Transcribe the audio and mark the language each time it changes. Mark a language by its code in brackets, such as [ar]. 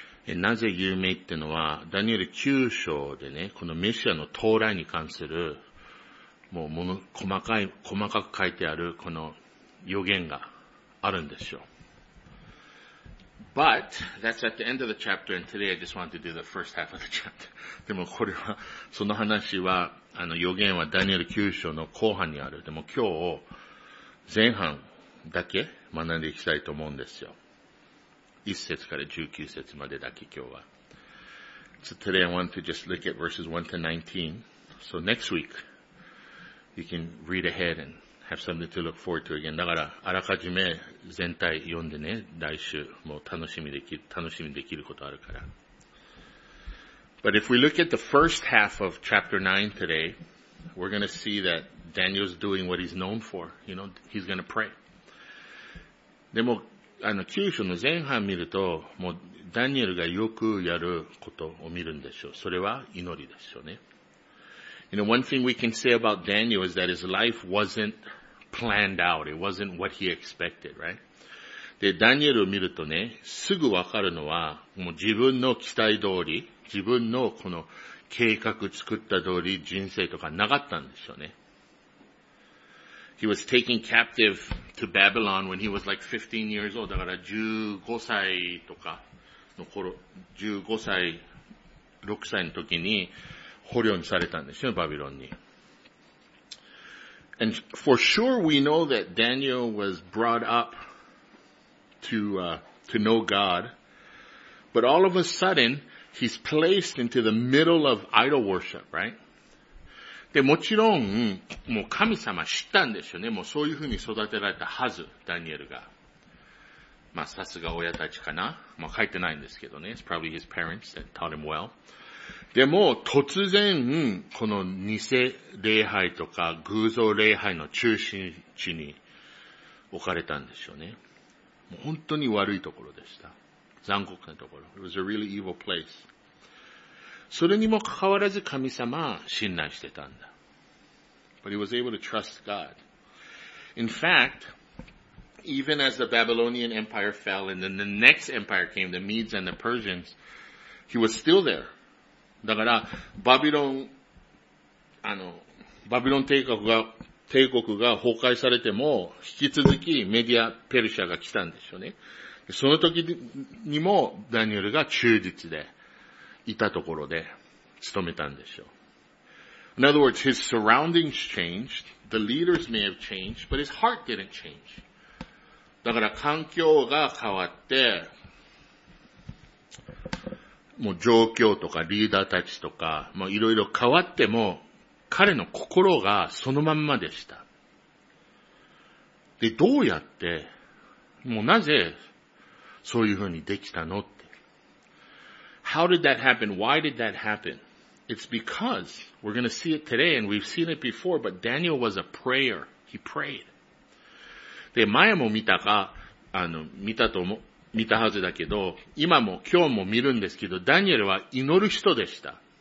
[ja] なぜ有名ってのは、ダニエル9章でね、このメシアの到来に関する、もうもの、細かく書いてあるこの予言があるんですよ。 [en] But that's at the end of the chapter, and today I just want to do the first half of the chapter. [ja] でもこれはその話は予言はダニエル9章の後半にある。でも今日前半だけ学んでいきたいと思うんですよ。 1節から19節までだけ今日は。 [en] So today I want to just look at verses 1 to 19. So next week you can read ahead and. Have something to look forward to again. [ja] だから、あらかじめ全体読んでね、来週もう楽しみできることあるから。 [en] But if we look at the first half of chapter 9 today, we're gonna see that Daniel's doing what he's known for. You know, he's gonna pray. [ja] でも、9章の前半見ると、もうダニエルがよくやることを見るんでしょう。それは祈りでしょうね。 [en] You know, one thing we can say about Daniel is that his life wasn't planned out. It wasn't what he expected, right? [ja] で、ダニエルを見るとね、すぐわかるのは、もう自分の期待通り、自分のこの計画作った通り、人生とかなかったんでしょうね。 [en] He was taken captive to Babylon when he was like 15 years old. [ja] だから15歳とかの頃、15歳、6歳の時に、捕虜にされたんですよ、バビロンに。 [en] And for sure we know that Daniel was brought up to know God. But all of a sudden, he's placed into the middle of idol worship, right? [ja] で、もちろん、もう神様知ったんですよね。もうそういうふうに育てられたはず、ダニエルが。まあ、さすが親たちかな。まあ、書いてないんですけどね。 [en] It's probably his parents that taught him well. [ja] でも、突然、この偽礼拝とか偶像礼拝の中心地に置かれたんでしょうね。もう本当に悪いところでした。残酷なところ。 [en] It was a really evil place. [ja] それにもかかわらず神様は信頼してたんだ。 [en] But he was able to trust God. In fact, even as the Babylonian Empire fell and then the next empire came, the Medes and the Persians, he was still there. [ja] だから、バビロン帝国が崩壊されても、引き続きメディア、ペルシャが来たんでしょうね。その時にも、ダニエルが忠実で、いたところで、勤めたんでしょう。 [en] In other words, his surroundings changed, the leaders may have changed, but his heart didn't change. [ja] だから、環境が変わって、もう状況とかリーダーたちとか、もういろいろ変わっても、彼の心がそのまんまでした。で、どうやって、もうなぜ、そういうふうにできたのって。 [en] How did that happen? Why did that happen? It's because, we're gonna see it today and we've seen it before, but Daniel was a prayer. He prayed. [ja] で、前も見たか、見たと思う。見たはずだけど、今も今日も見るんですけど、ダニエルは祈る人でした。